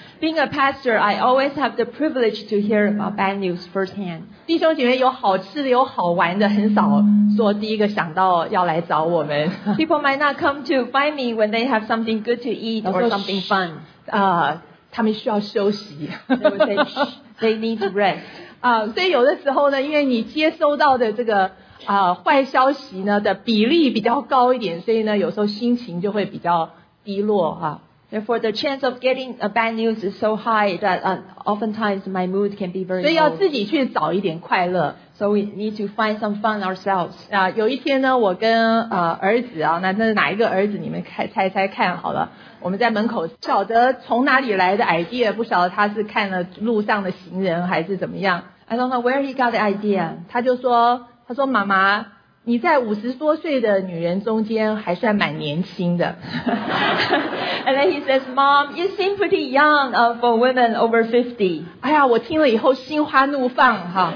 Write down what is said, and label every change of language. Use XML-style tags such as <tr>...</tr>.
<en>Being a pastor, I always have the privilege to hear about bad news firsthand.</en> <zh>弟兄姐妹有好吃的，有好玩的，很少说第一个想到要来找我们。</zh> <en>People might not come to find me when they have something good to eat or something fun.</en> <zh>他们需要休息。</zh> <en>They need rest.</en> <zh>所以有的时候呢，因为你接收到的这个坏消息呢的比例比较高一点，所以呢有时候心情就会比较低落哈。</zh> <en>Therefore, the chance of getting a bad news is so high that oftentimes my mood can be very low.</en> <zh>所以要自己去找一点快乐。</zh> <en>So we need to find some fun ourselves.</en> <zh>有一天呢，我跟儿子啊，那哪一个儿子？你们猜猜看好了。我们在门口，不晓得从哪里来的 idea， 不晓得他是看了路上的行人还是怎么样。</zh> <en>I don't know where he got the idea.</en> <zh>他说妈妈，你在五十多岁的女人中间还算蛮年轻的。</zh> <en>And then he says, Mom, you seem pretty young for women over 50.</en> <zh>哎呀，我听了以后心花怒放哈。</zh>